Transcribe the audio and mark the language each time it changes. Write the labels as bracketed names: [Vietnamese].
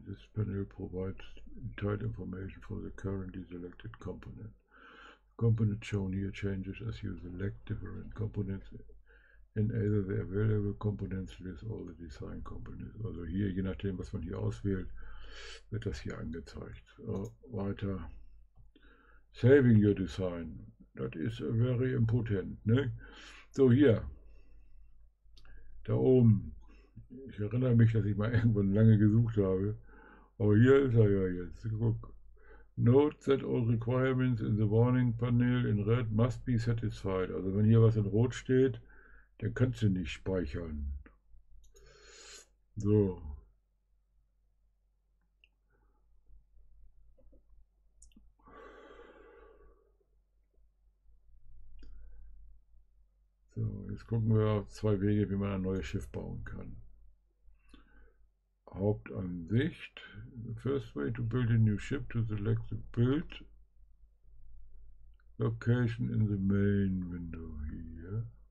[English] This panel provides detailed information for the currently selected component. The component shown here changes as you select different components. Enable the available components list all the design components. [German] Also hier, je nachdem, was man hier auswählt, wird das hier angezeigt. Weiter. [English] Saving your design. That is very important. [German] Ne? So hier. Da oben. Ich erinnere mich, dass ich mal irgendwann lange gesucht habe. Aber hier ist er ja jetzt. Guck. [English] Note that all requirements in the warning panel in red must be satisfied. [German] Also wenn hier was in rot steht, dann kannst du nicht speichern. So. So, jetzt gucken wir auf zwei Wege, wie man ein neues Schiff bauen kann. Hauptansicht. [English] The first way to build a new ship to select the build location in the main window here.